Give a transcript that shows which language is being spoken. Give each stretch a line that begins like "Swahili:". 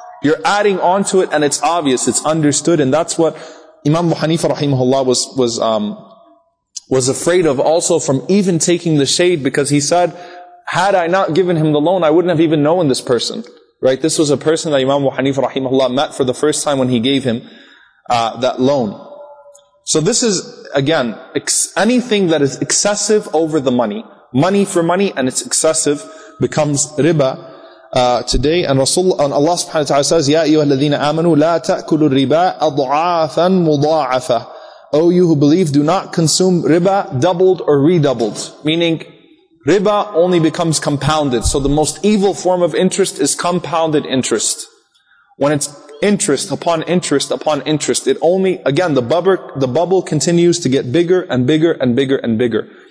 English: You're adding on to it, and it's obvious, it's understood, and that's what Imam Abu Hanifa rahimahullah was afraid of also, from even taking the shade, because he said, had I not given him the loan, I wouldn't have even known this person. Right? This was a person that Imam Abu Hanifa rahimahullah met for the first time when he gave him that loan. So this is, again, anything that is excessive over the money. Money for money, and it's excessive, becomes riba today. And Allah subhanahu wa ta'ala says,
Arabic: يَا أَيُّهَا الَّذِينَ آمَنُوا لَا تَأْكُلُوا الرِّبَا أَضْعَافًا مُضَاعَفًا.
English: O you who believe, do not consume riba doubled or redoubled. Meaning, riba only becomes compounded. So the most evil form of interest is compounded interest. When it's interest upon interest upon interest, it only, again, the bubble continues to get bigger and bigger and bigger and bigger.